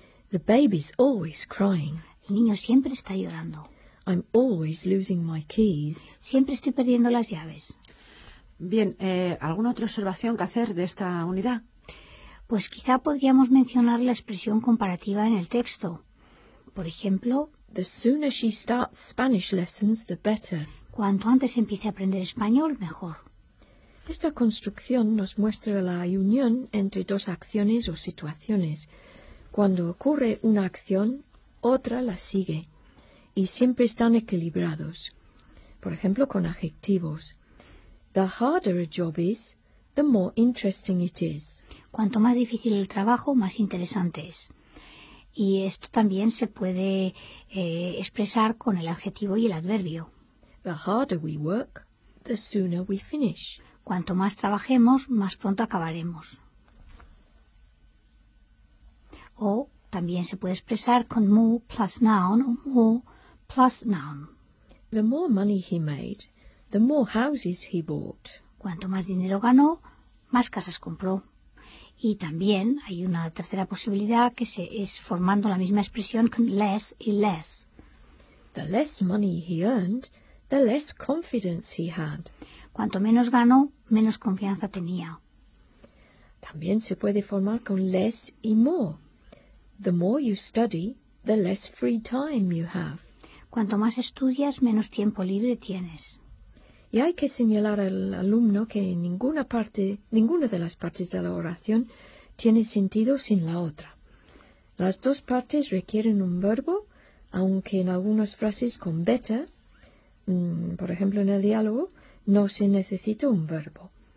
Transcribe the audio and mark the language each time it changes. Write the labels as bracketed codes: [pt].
[en] The baby's always crying. [es] El niño siempre está llorando. [en] I'm always losing my keys. [es] Siempre estoy perdiendo las llaves. Bien, ¿alguna otra observación que hacer de esta unidad? Pues quizá podríamos mencionar la expresión comparativa en el texto. Por ejemplo, [en] the sooner she starts Spanish lessons, the better. [es] Cuanto antes empiece a aprender español, mejor. Esta construcción nos muestra la unión entre dos acciones o situaciones. Cuando ocurre una acción, otra la sigue. Y siempre están equilibrados. Por ejemplo, con adjetivos. [en] The harder a job is, the more interesting it is. [es] Cuanto más difícil el trabajo, más interesante es. Y esto también se puede expresar con el adjetivo y el adverbio. [en] The harder we work, the sooner we finish. [es] Cuanto más trabajemos, más pronto acabaremos. O también se puede expresar con [en] more plus noun [es] o more plus noun. [en] The more money he made, the more houses he bought. [es] Cuanto más dinero ganó, más casas compró. Y también hay una tercera posibilidad que se es formando la misma expresión con less y less. [en] The less money he earned, the less confidence he had. [es] Cuanto menos ganó, menos confianza tenía. También se puede formar con less y more. [en] The more you study, the less free time you have. [es] Cuanto más estudias, menos tiempo libre tienes. Y hay que señalar al alumno que ninguna de las partes de la oración tiene sentido sin la otra. Las dos partes requieren un verbo, aunque en algunas frases con better, por ejemplo en el diálogo, no se necesita un verbo.